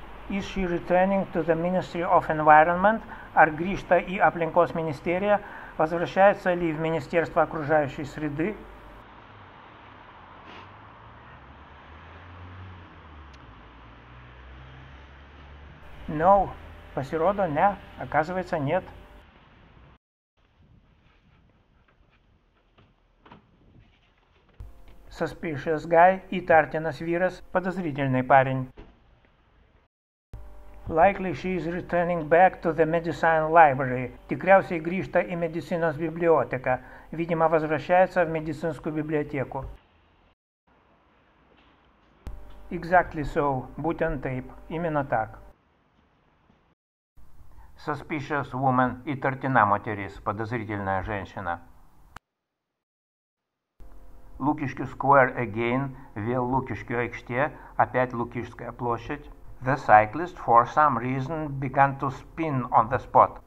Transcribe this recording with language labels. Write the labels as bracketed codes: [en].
[en] Is she returning to the Ministry of Environment? [lt] Ar grįžta į aplinkos ministeriją? [ru] Возвращается ли в Министерство окружающей среды? [en] No. [lt] Pasirodo, ne. [ru] Оказывается, нет. [en] Suspicious guy, [lt] įtartinas vyras, [ru] подозрительный парень. [en] Likely she is returning back to the medicine library. [lt] Tikriausiai grįžta į medicinos biblioteką. [ru] Видимо, возвращается в медицинскую библиотеку. [en] Exactly so. [lt] Būtent taip. [ru] Именно так. [lt] Suspicious woman. Įtartina moteris. [ru] Подозрительная женщина. [lt] Лукишки Square again. Vėl Лукишки aikštė. [ru] Опять Лукишская площадь. [en] The cyclist, for some reason, began to spin on the spot.